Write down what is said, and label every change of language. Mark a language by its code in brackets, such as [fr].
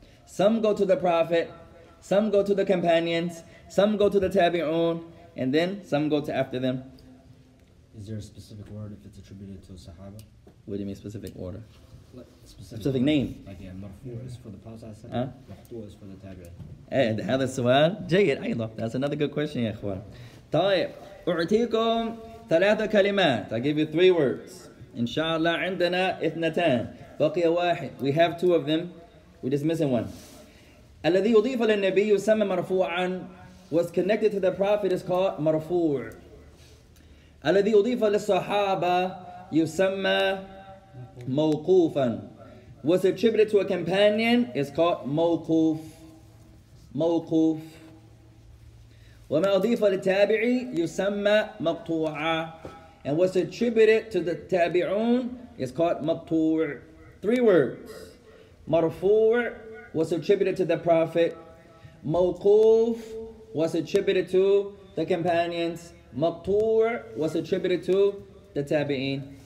[en] Some go to the Prophet, some go to the companions, some go to the tabi'un, and then some go to after them. Is there a specific word if it's attributed to a sahaba? What do you mean specific order? Specific name. Like, yeah, marfu' is for the Prophet, marfu' is for the tabi'un. Hey, that's a sual. That's another good question, ya ikhwan. [ar] Tayyib. U'tikum ثلاثة كلمات. [en] I give you three words. [ar] Inshallah, عندنا اثنتان. بقي واحد. [en] We have two of them. We're just missing one. [ar] الذي يضيف للنبي يسمى مرفوعا. [en] Was connected to the Prophet is called مرفوع. [ar] الذي يضيف للصحابة يسمى موقوفا. [en] Was attributed to a companion is called موقوف. [ar] موقوف. وما أضيف للتابعي يسمى مقطوعا. [en] And what's attributed to the تابعون is called مقطوع. Three words. مرفوع was attributed to the Prophet. موقوف was attributed to the companions. مقطوع was attributed to the تابعين.